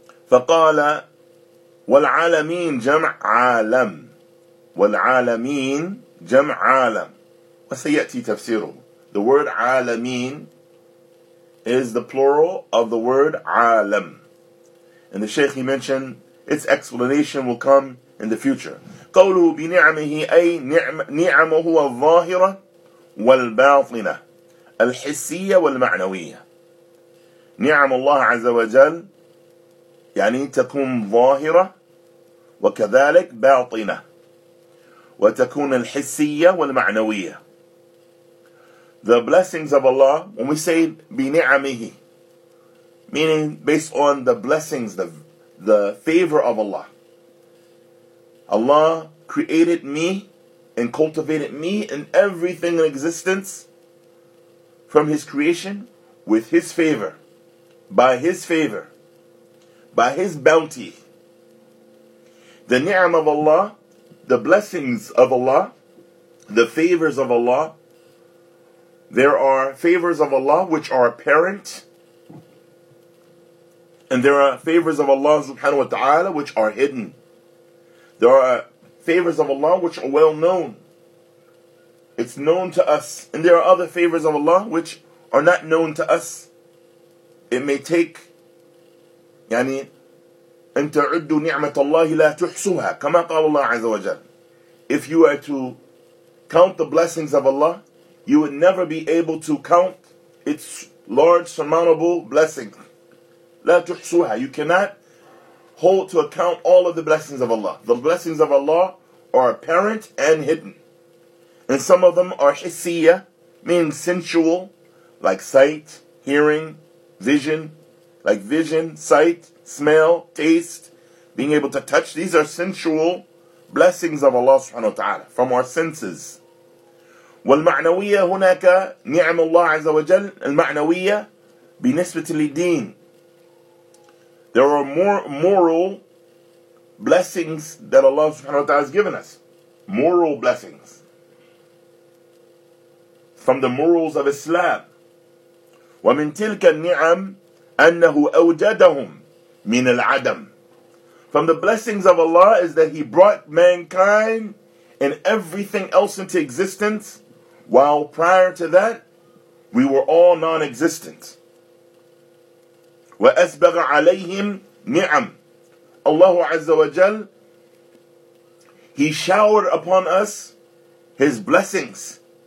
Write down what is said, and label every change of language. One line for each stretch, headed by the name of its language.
Arabic: فقال والعالمين جمع عالم, والعالمين جمع عالم. وسيأتي تفسيره.
English: The word عالمين is the plural of the word عالم. And the Shaykh, he mentioned, its explanation will come in the future.
Arabic: قوله بنعمه أي نعمه الظاهرة والباطنة الحسية والمعنوية. نعم الله عز وجل يعني تكون ظاهرة وكذلك باطنة, وتكون الحسية والمعنوية.
English: The blessings of Allah, when we say بِنِعَمِهِ, meaning based on the blessings, the favor of Allah. Allah created me and cultivated me and everything in existence from His creation with His favor, by His favor, by His bounty. The ni'am of Allah, the blessings of Allah, the favors of Allah, there are favors of Allah which are apparent, and there are favors of Allah subhanahu wa ta'ala which are hidden. There are favors of Allah which are well known. It's known to us. And there are other favors of Allah which are not known to us. It may take,
Arabic: يعني أن تعد نعمة الله لا تحصوها كما قال الله عز وجل.
English: If you are to count the blessings of Allah, you would never be able to count its large, surmountable blessing. La tuhsuha. You cannot hold to account all of the blessings of Allah. The blessings of Allah are apparent and hidden. And some of them are hissiyah, meaning sensual, like sight, hearing, vision, like vision, sight, smell, taste, being able to touch. These are sensual blessings of Allah subhanahu wa ta'ala from our senses.
Arabic: والمعنوية هناك نعم الله عز وجل المعنوية بنسبة للدين.
English: There are more moral blessings that Allah subhanahu wa ta'ala has given us. Moral blessings. From the morals of Islam.
Arabic: ومن تلك النعم أنه أوجدهم من العدم.
English: From the blessings of Allah is that He brought mankind and everything else into existence, while prior to that, we were all non-existent.
Arabic: وَأَسْبَغَ عَلَيْهِمْ نِعَمْ
English: Allah Azza wa Jal, He showered upon us His blessings.